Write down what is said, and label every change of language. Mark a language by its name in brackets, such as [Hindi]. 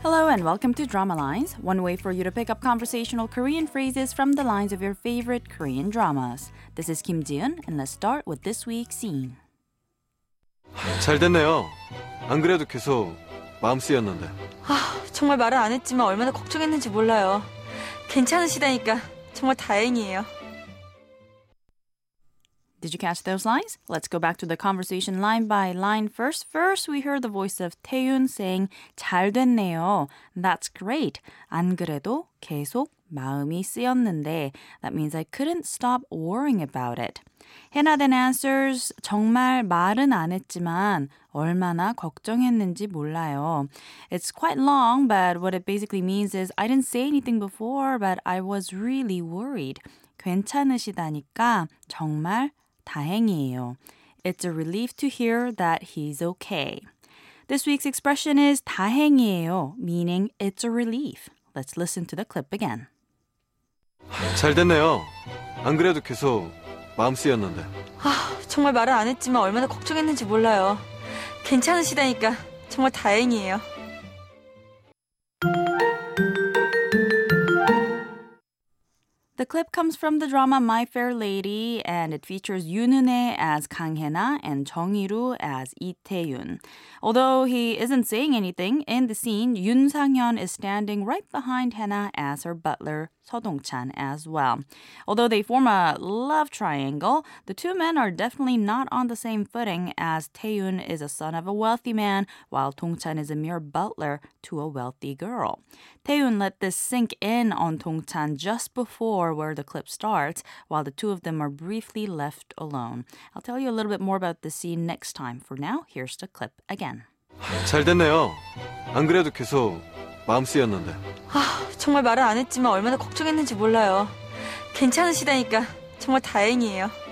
[English] and welcome to Drama Lines, one way for you to pick up conversational Korean phrases from the lines of your favorite Korean dramas. This is Kim Ji-eun, and let's start with this week's scene. [Korean] 잘 됐네요. 안 그래도 계속 마음 쓰였는데. 아, 정말 말을 안 했지만 얼마나 걱정했는지 몰라요. 괜찮으시다니까 정말 다행이에요. [English] Did you catch those lines? Let's go back to the conversation line by line first. First, we heard the voice of Taeyun saying, [Korean] 잘 됐네요. [English] That's great. [Korean] 안 그래도 계속 마음이 쓰였는데. [English] That means I couldn't stop worrying about it. Hannah then answers, [Korean] 정말 말은 안 했지만 얼마나 걱정했는지 몰라요. [English] It's quite long, but what it basically means is, I didn't say anything before, but I was really worried. [Korean] 괜찮으시다니까 정말 다행이에요. [English] It's a relief to hear that he's okay. This week's expression is [Korean] 다행이에요, [English] meaning it's a relief. Let's listen to the clip again. [Korean] 잘 됐네요. 안 그래도 계속 마음 쓰였는데. 아, 정말 말을 안 했지만 얼마나 걱정했는지 몰라요. 괜찮으시다니까 정말 다행이에요. [English] The clip comes from the drama My Fair Lady, and it features Yoon Eun-hae as Kang Hye-na and Jung Hee-ru as Lee Tae-yoon. Although he isn't saying anything in the scene, Yoon Sang-hyun is standing right behind Hye-na as her butler, So Dong-chan, as well. Although they form a love triangle, the two men are definitely not on the same footing, as Tae-yoon is a son of a wealthy man, while Dong-chan is a mere butler to a wealthy girl. Tae-yoon let this sink in on Dong-chan just before where the clip starts, while the two of them are briefly left alone. I'll tell you a little bit more about the scene next time. For now, here's the clip again. [Korean] 잘 됐네요. 안 그래도 계속 마음 쓰였는데. 아, 정말 말을 안 했지만 얼마나 걱정했는지 몰라요. 괜찮으시다니까 정말 다행이에요.